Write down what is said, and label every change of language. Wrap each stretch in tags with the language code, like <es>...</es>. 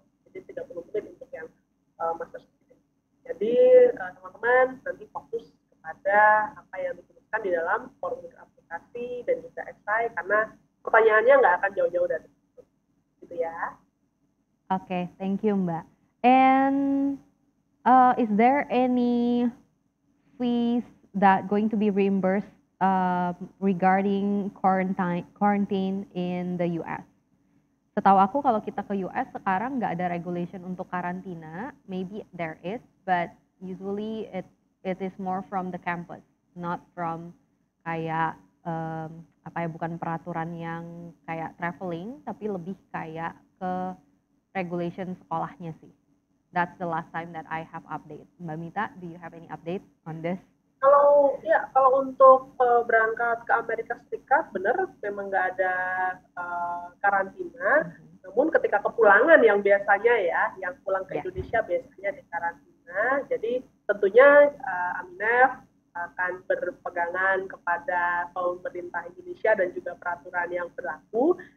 <id>Jadi 30 menit untuk yang master student. Jadi teman-teman nanti fokus kepada apa yang dituliskan di dalam formulir aplikasi dan juga essay, karena pertanyaannya nggak akan jauh-jauh dari ya.</id> <en>Oke, okay, thank you Mbak. And is there any fees that going to be reimbursed regarding quarantine in the US?</en> <id>Setahu aku kalau kita ke US sekarang nggak ada regulation untuk karantina.</id> <en>Maybe there is, but usually it is more from the campus, not from</en> <id>kayak bukan peraturan yang kayak traveling, tapi lebih kayak ke regulation sekolahnya sih.</id> <en>That's the last time that I have update. Mbak Mita, do you have any update on this?</en> <id>Kalau untuk berangkat ke Amerika Serikat, benar memang nggak ada karantina. Mm-hmm. Namun ketika kepulangan yang biasanya ya, yang pulang ke Indonesia biasanya di karantina. Jadi tentunya Aminef akan berpegangan kepada pemerintah Indonesia dan juga peraturan yang berlaku.</id>